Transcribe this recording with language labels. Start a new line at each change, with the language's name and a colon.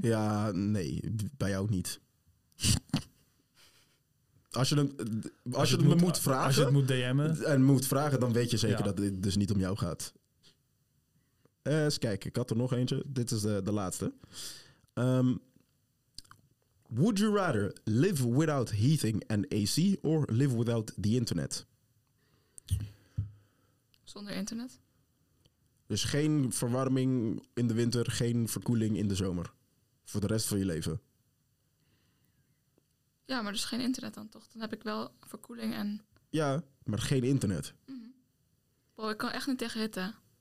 Dutch: Ja, nee, bij jou niet. Als je het moet DM'en. En moet vragen, dan weet je zeker dat dit dus niet om jou gaat. Eens kijken, ik had er nog eentje. Dit is de laatste.
English: Would you rather live without heating and AC or live without the internet?
Dutch: Zonder internet? Dus geen verwarming in de winter, geen verkoeling in de zomer. Voor de rest van je leven. Ja, maar dus geen internet dan toch? Dan heb ik wel verkoeling en... Ja, maar geen internet. Mm-hmm. Wow, ik kan echt niet tegen hitte.